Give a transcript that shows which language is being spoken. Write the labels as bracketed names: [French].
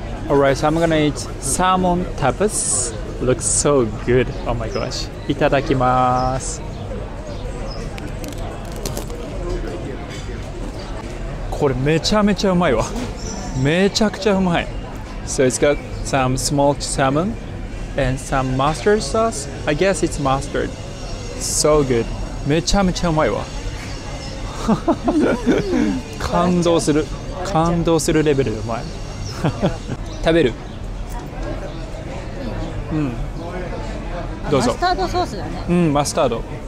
[English] Alright, so I'm gonna eat salmon tapas. Looks so good. Oh my gosh. [Japanese] いただきます。これめちゃめちゃうまいわ。めちゃくちゃうまい。 [English] So it's got some smoked salmon and some mustard sauce. I guess it's mustard. So good. [Japanese] めちゃめちゃうまいわ。感動する。感動するレベルでうまい。食べる。うん、どうぞ。マスタードソースだね。うん、マスタード。